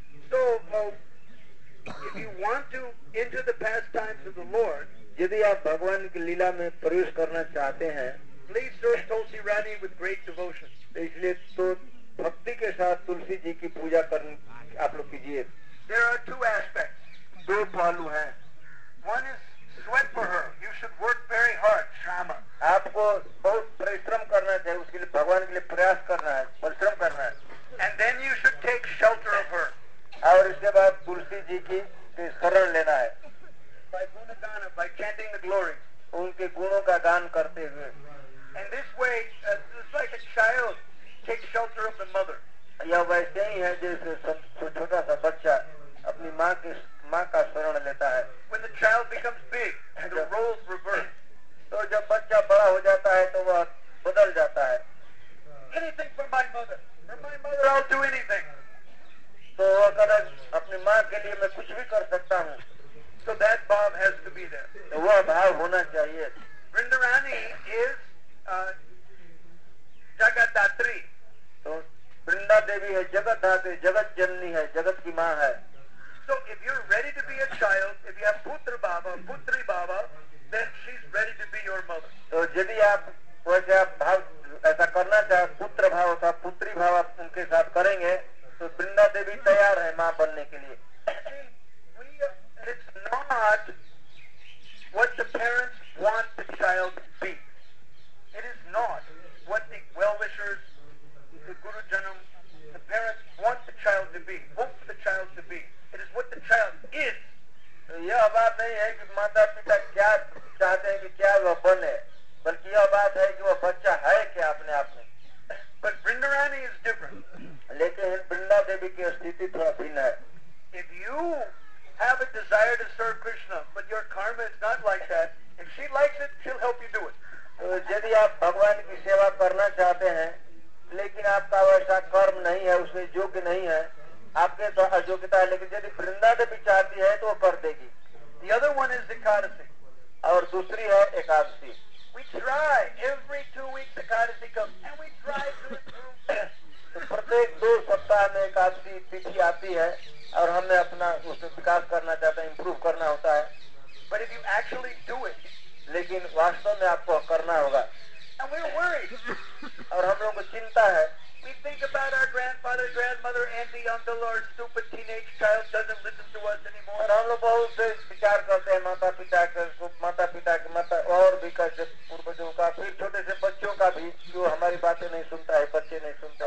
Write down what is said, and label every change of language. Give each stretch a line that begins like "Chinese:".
English: So if you want to enter the pastimes of the Lord,
Hindi: यदि आप भगवान की लीला में प्रवेश करना चाहते हैं,
English: please serve Tulsi Rani with great devotion.
Hindi: इसलिए तो भक्ति के साथ तुलसी जी की पूजा करनी आप लोग कीजिए.
English: There are two aspects.
Hindi: दो पहलू हैं.
English: One is sweat for her. You should work very hard, Shama.
Hindi: आपको बहुत परिश्रम करना चाहिए उसके लिए, भगवान के लिए प्रयास करना है, परिश्रम करना है.
English: And then you should take shelter of her.
Hindi: और इसके बाद तुलसी जी की शरण लेना है.
English: By gunagana, by chanting the glory.
Hindi: उनके गुणों का गान करते हुए.
English: And this way, it's like a child. Take shelter of the mother.
Hindi: या वैसे ही है जैसे छोटा सा बच्चा अपनी माँ के माँ का शरण लेता है.
English: When the child becomes big, the roles reverse.
Hindi: तो जब बच्चा बड़ा हो जाता है तो वह बदल जाता है.
English: Anything for my mother. For my mother, I'll do anything.
Hindi: तो अगर अपनी माँ के लिए मैं कुछ भी कर सकता हूँ.
English: So that bond has to be there.
Hindi: तो वह भाव होना चाहिए.
English: Vrindarani is Jagadatri.
Hindi: तो वृंदा देवी है जगत धात्री, जगत जननी है, जगत की माँ है.
English: So if you're ready to be a child, if you have putra baba, putri baba, then she's ready to be your mother.
Hindi: तो यदि आप वैसे आप भाव ऐसा करना चाहे पुत्र भाव था पुत्री भाव आप उनके साथ करेंगे तो वृंदा देवी तैयार है माँ बनने के लिए.
English: It's not what the parents want the child to be. It is not what the well-wishers, the Guru Janam, the parents want the child to be, hope for the child to be. It is what the child is.
Hindi: यह बात नहीं है कि माता पिता क्या चाहते हैं कि क्या वह बने, बल्कि यह बात है कि वह बच्चा है क्या अपने आप में.
English: But Vrindarani is different.
Hindi: लेकिन वृंदा देवी की स्थिति थोड़ा भिन्न है.
English: If you have a desire to serve Krishna, but your karma is not like that, if she likes it, she'll help you do it.
Hindi: यदि आप भगवान की सेवा करना चाहते हैं लेकिन आपका वैसा कर्म नहीं है उसमें योग्य नहीं है आपके तो अयोग्यता है, लेकिन यदि वृंदा देवी चाहती है तो वो कर देगी.
English: The other one is Ekadasi.
Hindi: और दूसरी है Ekadashi.
English: We try every 2 weeks Ekadasi comes and we try to improve.
Hindi: प्रत्येक दो सप्ताह में एकादशी तिथि आती है और हमें अपना उसमें विकास करना चाहते हैं, इम्प्रूव करना होता है.
English: But if you actually do it,
Hindi: लेकिन वास्तव में आपको करना होगा.
English: And we're worried.
Hindi: और हम लोगों को चिंता है.
English: We think about our grandfather, grandmother, auntie, uncle, or stupid teenage child doesn't listen to us anymore.
Hindi: और हम लोग बहुत से विचार करते हैं माता पिता के, माता पिता के माता और भी कैसे पूर्वजों का, फिर छोटे से बच्चों का भी जो हमारी बातें नहीं सुनता है, बच्चे नहीं सुनते.